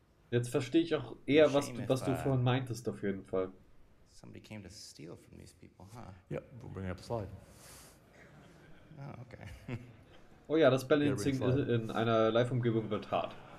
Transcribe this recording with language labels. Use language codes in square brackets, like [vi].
[de] Jetzt verstehe ich auch eher, was du vorhin meintest, auf jeden Fall. [en] Somebody came to steal from these people, huh? Yep, we'll bring up a slide. Oh, okay. [de] Oh ja, das Balancing in einer Live-Umgebung wird hart.